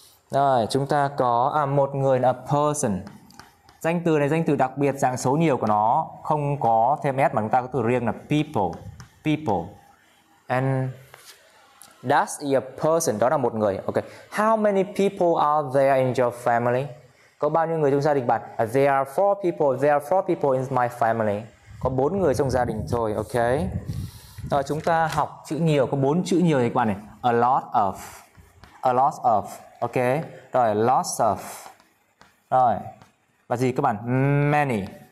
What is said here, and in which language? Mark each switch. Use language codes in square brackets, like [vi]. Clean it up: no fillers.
[vi] Rồi, chúng ta có một người là person. Danh từ này danh từ đặc biệt, dạng số nhiều của nó không có thêm s mà chúng ta có từ riêng là people. People. [en] And that's a person, [vi] đó là một người. [en] Okay. How many people are there in your family? [vi] Có bao nhiêu người trong gia đình bạn? [en] There are four people in my family. [vi] Có bốn người trong gia đình thôi. Okay. Rồi chúng ta học chữ nhiều, có bốn chữ nhiều thì các bạn này. [en] A lot of. Okay. Rồi lots of. Rồi. [vi] Và gì các bạn? [en] Many.